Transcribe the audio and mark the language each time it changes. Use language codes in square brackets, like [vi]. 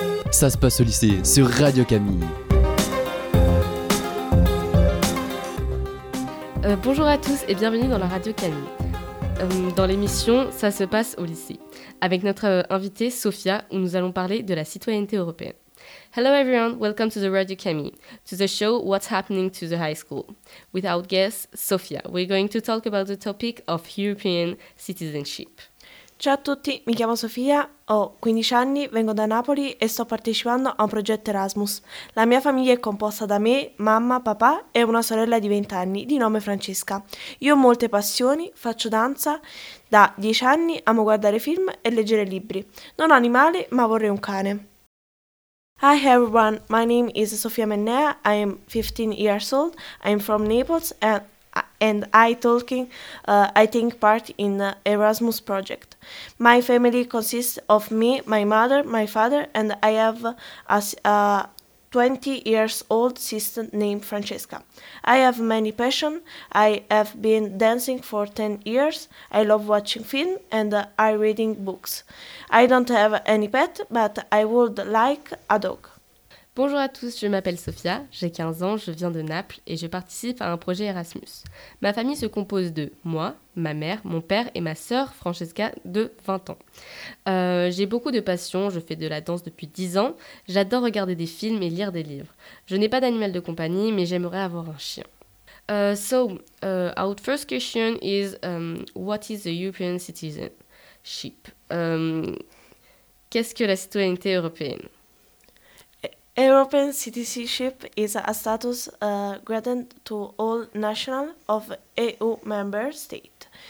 [fr] Ça se passe au lycée sur Radio Camille. Bonjour à tous et bienvenue dans la Radio Camille. Dans l'émission Ça se passe au lycée, avec notre invitée Sophia, où nous allons parler de la citoyenneté européenne. [en] Hello everyone, welcome to the Radio Camille, to the show What's Happening to the High School. Without guest, Sophia, we're going to talk about the topic of European citizenship. [it] Ciao a tutti, mi chiamo Sofia, ho 15 anni, vengo da Napoli e sto partecipando a un progetto Erasmus. La mia famiglia è composta da me, mamma, papà e una sorella di 20 anni, di nome Francesca. Io ho molte passioni, faccio danza, da 10 anni amo guardare film e leggere libri. Non ho animali, ma vorrei un cane. [en] Hi everyone, my name is Sofia Mennea, I am 15 years old, I am from Naples and I think part in Erasmus project. My family consists of me, my mother, my father, and I have a 20 years old sister named Francesca. I have many passion. I have been dancing for 10 years. I love watching film and I reading books. I don't have any pet, but I would like a dog. [fr] Bonjour à tous, je m'appelle Sophia, j'ai 15 ans, je viens de Naples et je participe à un projet Erasmus. Ma famille se compose de moi, ma mère, mon père et ma sœur Francesca de 20 ans. J'ai beaucoup de passions, je fais de la danse depuis 10 ans, j'adore regarder des films et lire des livres. Je n'ai pas d'animal de compagnie mais j'aimerais avoir un chien. [en] Our first question is, what is the European citizenship? [fr] Qu'est-ce que la citoyenneté européenne? [en] European citizenship is a status granted to all nationals of EU member state.